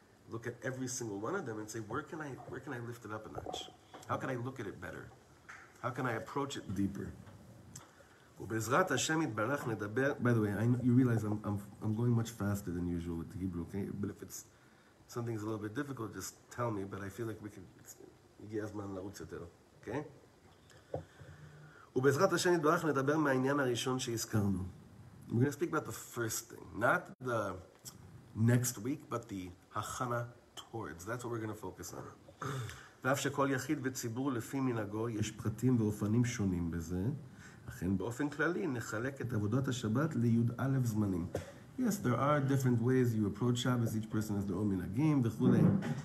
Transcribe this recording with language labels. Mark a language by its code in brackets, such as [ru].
[en] Look at every single one of them and say, where can I lift it up a notch? How can I look at it better? How can I approach it deeper? [he] ובעזרת השם יתברך נדבר. [en] By the way, you realize I'm going much faster than usual with the Hebrew, okay? But if it's something's a little bit difficult, just tell me. But I feel like we can. [he] הגיע הזמן לרוץ יותר, [en] okay? [he] ובעזרת השם יתברך נדבר מהעניין הראשון שהזכרנו. [en] We're going to speak about the first thing, not the next week, but the Hachana towards. That's what we're going to focus on. [he] ואף שכל יחיד וציבור לפי מנהגו יש פרטים ואופנים שונים בזה. אכן באופן כללי נחלק את עבודת השבת ליוד א' זמנים. [en] Yes, there are different ways you approach Shabbos. Each person has their own minagim וכולי.